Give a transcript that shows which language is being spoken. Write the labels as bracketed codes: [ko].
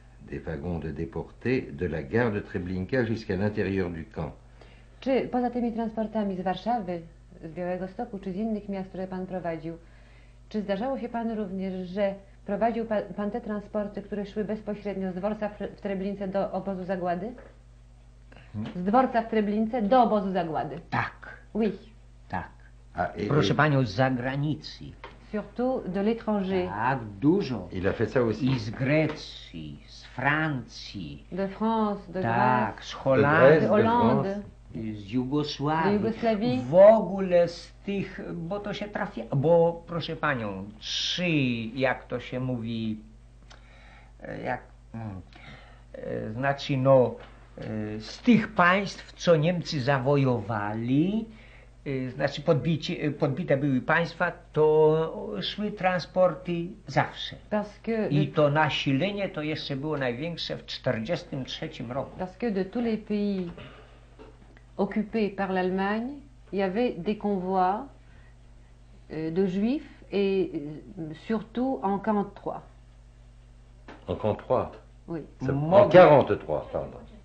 [fr] des wagons de déportés de la gare de Treblinka jusqu'à l'intérieur du camp. [pl] Czy poza tymi transportami z Warszawy, z Białegostoku czy z innych miast, które pan prowadził, czy zdarzało się panu również, że prowadził pan te transporty, które szły bezpośrednio z dworca w Treblince do obozu zagłady? Z dworca w Treblince do obozu zagłady. Tak. [fr] Oui. [pl] Tak. Proszę panią, z zagranicy. [fr] Surtout de l'étranger. [pl] Tak, dużo. [fr] Il a fait ça aussi. [pl] Z Grecji, z Francji. [fr] De France, de [pl] tak, [fr] Grèce. [pl] Tak, z Holandii, [fr] de Hollande. [pl] Z Jugosławii. [fr] De Jugoslavie. [pl] W ogóle z tych, bo to się trafia, bo proszę panią, trzy, jak to się mówi, jak, znaczy no, z tych państw, co Niemcy zawojowali, znaczy podbite były państwa, to szły transporty zawsze. I to nasilenie to jeszcze było największe w 1943 roku. [fr] Parce que de tous les pays occupés par l'Allemagne, il y avait des convois de juifs et surtout en 43. En 43? Oui. En 43, pardon.